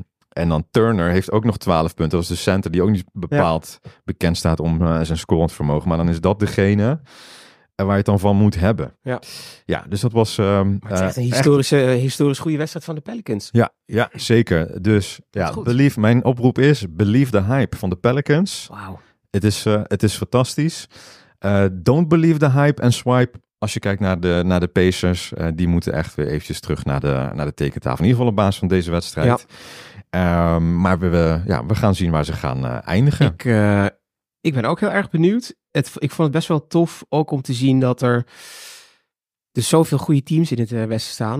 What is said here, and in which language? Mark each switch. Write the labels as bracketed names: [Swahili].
[Dutch] En dan Turner heeft ook nog 12 punten. Dat is de center die ook niet bepaald bekend staat om zijn scorend vermogen. Maar dan is dat degene waar je het dan van moet hebben. Ja, ja, dus dat was... Maar het is echt een historisch goede wedstrijd van de Pelicans. Ja, ja, zeker. Dus ja, mijn oproep is, [English] believe the hype [Dutch] van de Pelicans. Wauw. Het is fantastisch. [English] Don't believe the hype and swipe. [Dutch] Als je kijkt naar de Pacers, die moeten echt weer eventjes terug naar de tekentafel. In ieder geval op basis van deze wedstrijd. Ja. Maar we gaan zien waar ze gaan eindigen. Ik ben ook heel erg benieuwd. Ik vond het best wel tof ook om te zien dat er dus zoveel goede teams in het Westen staan.